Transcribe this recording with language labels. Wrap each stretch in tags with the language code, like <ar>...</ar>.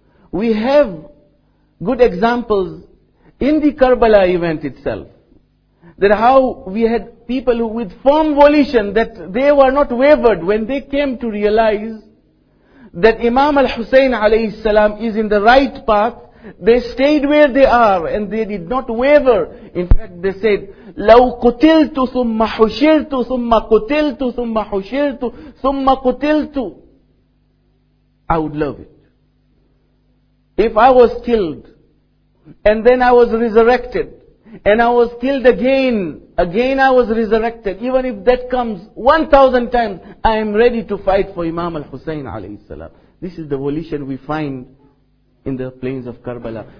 <en>We have good examples in the Karbala event itself, that how we had people who with firm volition, that they were not wavered when they came to realize that Imam al-Hussein alayhi salam is in the right path. They stayed where they are and they did not waver. In fact, they said,</en> <ar>لَوْ قُتِلْتُ ثُمَّ حُشِرْتُ ثُمَّ قُتِلْتُ ثُمَّ حُشِرْتُ ثُمَّ قُتِلْتُ,</ar> <en>I would love it. If I was killed and then I was resurrected and I was killed again I was resurrected, even if that comes 1,000 times, I am ready to fight for Imam al-Hussein alayhi salam. This is the volition we find in the plains of Karbala.</en>